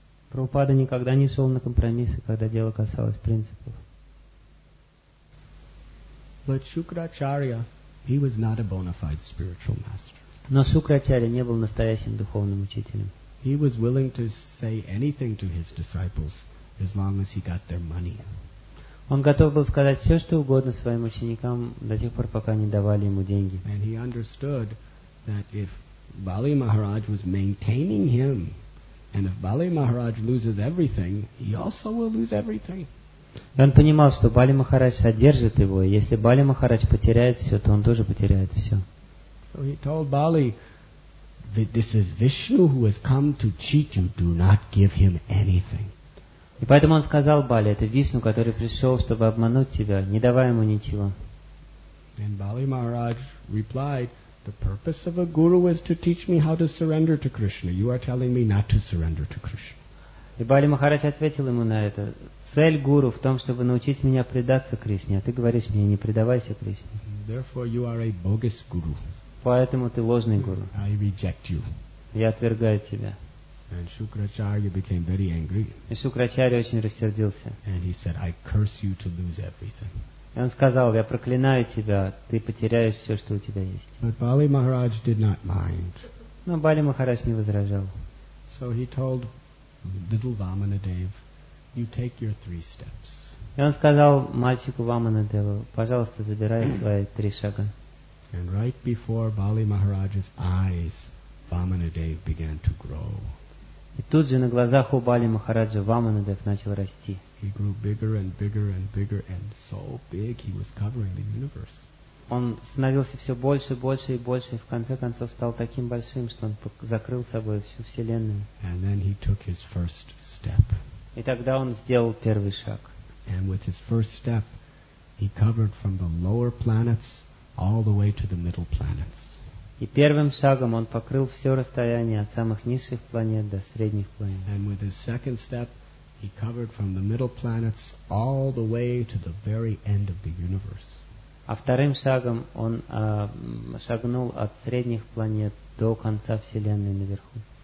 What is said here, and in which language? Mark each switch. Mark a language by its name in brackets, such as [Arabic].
[Russian] Прабхупада никогда не шел на компромиссы, когда дело касалось принципов. [English] But Shukracharya, he was not a bona fide spiritual master. [Russian] Но Шукрачарья не был настоящим духовным учителем. [English] He was willing to say anything to his disciples as long as he got their money. [Russian] Он готов был сказать все, что угодно своим ученикам до тех пор, пока они давали ему деньги. [English] And he understood that if Bali Maharaj was maintaining him, and if Bali Maharaj loses everything, he also will lose everything. [Russian] И он понимал, что Бали Махарадж содержит его, и если Бали Махарадж потеряет все, то он тоже потеряет все. [English] So he told Bali that this is Vishnu who has come to cheat you. Do not give him anything. [Russian] И поэтому он сказал Бали, это Вишну, который пришел, чтобы обмануть тебя. Не давай ему ничего. [English] And Bali Maharaj replied, "The purpose of a guru is to teach me how to surrender to Krishna. You are telling me not to surrender to Krishna." [Russian] И Бали Махарадж ответил ему на это: цель гуру в том, чтобы научить меня предаться Кришне. А ты говоришь мне не предавайся Кришне. [English] Therefore, you are a bogus guru. [Russian] Поэтому ты ложный гуру. [English] I reject you. [Russian] Я отвергаю тебя. [English] And Shukracharya became very angry. [Russian] И Шукрачарья очень рассердился. [English] And he said, I curse you to lose everything. [Russian] И он сказал, я проклинаю тебя, ты потеряешь все, что у тебя есть. [English] But Bali Maharaj did not mind. [Russian] Но Бали Махарадж не возражал. [English] So he told little Vamanadev, you take your three steps. [Russian] И он сказал мальчику Ваманадеву, пожалуйста, забирай свои три шага. [English] And right before Bali Maharaj's eyes, Vamanadev began to grow. [Russian] И тут же на глазах у Бали Махараджа Ваманадев начал расти. [English] He grew bigger and bigger and bigger and so big he was covering the universe. [Russian] он становился все больше, больше и больше, и в конце концов стал таким большим, что он закрыл собой всю Вселенную. [English] And then he took his first step. [Russian] И тогда он сделал первый шаг. [English] And with his first step, he covered from the lower planets all the way to the middle planets. [Russian] И первым шагом он покрыл все расстояние от самых низших планет до средних планет. [English] And with his second step, he covered from the middle planets all the way to the very end of the universe. [Russian] А вторым шагом он шагнул от средних планет до конца Вселенной наверху.